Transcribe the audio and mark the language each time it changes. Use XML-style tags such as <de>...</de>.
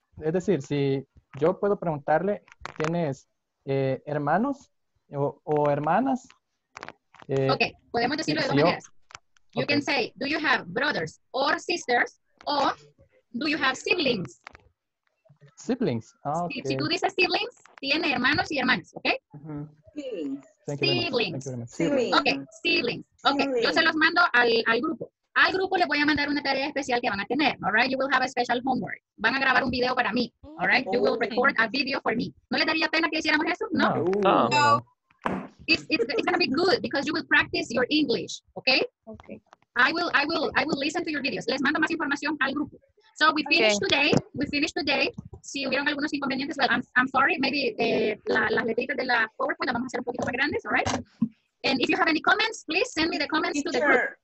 <es>Es decir, si yo puedo preguntarle, ¿tienes hermanos o hermanas? Okay, podemos decirlo de dos maneras.</es> <en>You can say, do you have brothers or sisters, or do you have siblings? Siblings, oh, okay.</en> <es>Si tú dices siblings, tiene hermanos y hermanas, okay?</es> <en>Siblings.</en> <es>Siblings. Okay, siblings. Okay, yo se los mando al grupo. Al grupo les voy a mandar una tarea especial que van a tener, all right?</es> <en>You will have a special homework.</en> <es>Van a grabar un video para mí, all right?</es> <en>You will record a video for me.</en> <es>¿No les daría pena que hiciéramos eso? No. No. No.</es> <en>It's going to be good because you will practice your English, okay? Okay. I will listen to your videos.</en> <es>Les mando más información al grupo.</es> <en>So we finish today. We finish today.</en> <es>Si hubieron algunos inconvenientes,</es> <en>well, I'm sorry.</en> <es>Maybe las letritas de la PowerPoint las vamos a hacer un poquito más grandes, all right?</es> <en>And if you have any comments, please send me the comments to the group.</en>